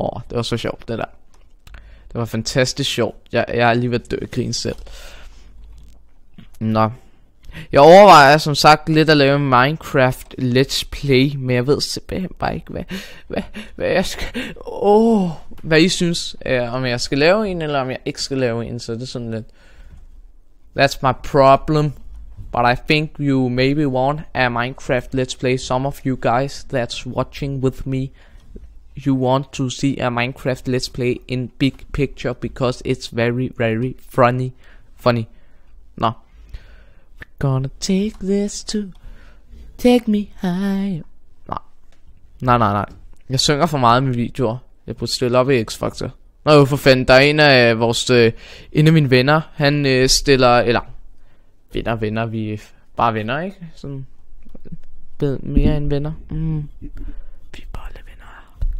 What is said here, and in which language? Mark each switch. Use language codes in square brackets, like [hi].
[da] Det var så sjovt, det der. Det var fantastisk sjovt. Jeg er lige ved at dø af grin selv. Nå. Jeg overvejer som sagt lidt at lave en Minecraft Let's Play, men jeg ved simpelthen bare ikke, hvad jeg skal... Hvad I synes, om jeg skal lave en, eller om jeg ikke skal lave en, så det er sådan lidt... [en] That's my problem. But I think you maybe want a Minecraft Let's Play. Some of you guys that's watching with me, you want to see a Minecraft Let's Play in big picture because it's very, very funny. Funny. No. We're gonna take this to take me higher. [da] Nej. Nej, nej, nej. Jeg synger for meget med videoer. Jeg burde stille op i X-Factor. Nå jo, for fanden, der er en af vores, en af mine venner, han stiller, eller, venner, venner, vi er bare venner, ikke? Sådan, mere end venner. Mm. Vi er bare venner.